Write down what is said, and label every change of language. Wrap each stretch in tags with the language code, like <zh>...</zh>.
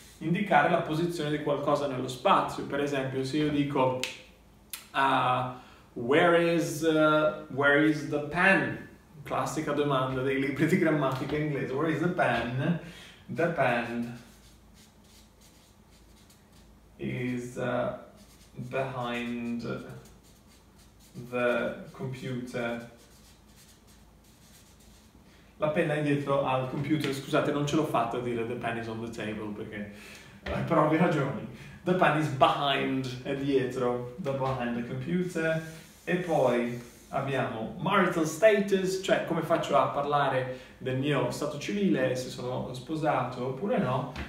<it>Indicare la posizione di qualcosa nello spazio. Per esempio, se io dico</it> <en>where is the pen?</en> <it>Classica domanda dei libri di grammatica inglese.</it> <en>Where is the pen? The pen is behind the computer.</en> <it>La penna è dietro al computer. Scusate, non ce l'ho fatta a dire</it> <en>the pen is on the table,</en> <it>perché però vi ragioni.</it> <en>The pen is behind,</en> <it>è dietro,</it> <en>the behind the computer.</en> <it>E poi abbiamo marital status, cioè come faccio a parlare del mio stato civile, se sono sposato oppure no.</it>